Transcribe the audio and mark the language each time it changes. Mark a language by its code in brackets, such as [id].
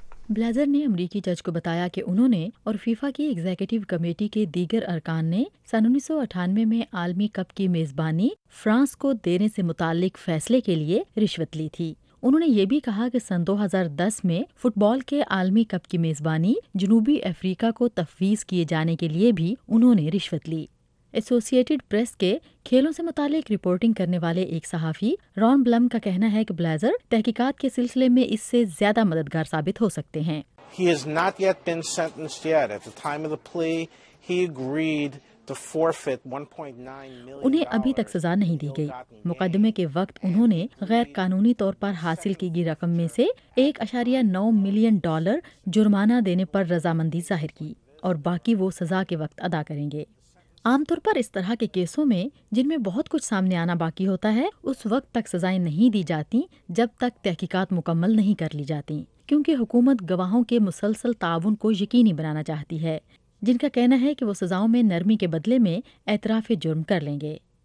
[ur] Blazer نے امریکی جج کو بتایا کہ انہوں نے اور فیفا کی ایگزیکٹو کمیٹی کے دیگر ارکان نے سن 1998 میں عالمی کپ کی میزبانی فرانس کو دینے سے متعلق فیصلے کے لیے رشوت لی تھی۔ انہوں نے یہ بھی کہا کہ سن 2010 میں فٹ بال کے عالمی کپ کی میزبانی جنوبی افریقہ کو تفویض کیے جانے کے لیے بھی انہوں نے رشوت لی۔ ایسوسیٹڈ پریس کے کھیلوں سے متعلق رپورٹنگ کرنے والے ایک صحافی رون بلم کا کہنا ہے کہ بلیزر تحقیقات کے سلسلے میں اس سے زیادہ مددگار ثابت ہو سکتے ہیں۔ [en] He has not yet been sentenced yet. At the time of the plea, he agreed to forfeit $1.9 million. [ur] انہیں ابھی تک سزا نہیں دی گئی۔ مقدمے کے وقت انہوں نے غیر قانونی طور پر حاصل کی گئی رقم میں سے [en] 1.9 million dollars [ur] جرمانہ دینے پر رضامندی ظاہر کی اور باقی وہ سزا کے وقت ادا کریں گے۔ عام طور پر اس طرح کے کیسوں میں جن میں بہت کچھ سامنے آنا باقی ہوتا ہے اس وقت تک سزائیں نہیں دی جاتیں جب تک تحقیقات مکمل نہیں کر لی جاتیں، کیونکہ حکومت گواہوں کے مسلسل تعاون کو یقینی بنانا چاہتی ہے، جن کا کہنا ہے کہ وہ سزاؤں میں نرمی کے بدلے میں اعتراف جرم کر لیں گے۔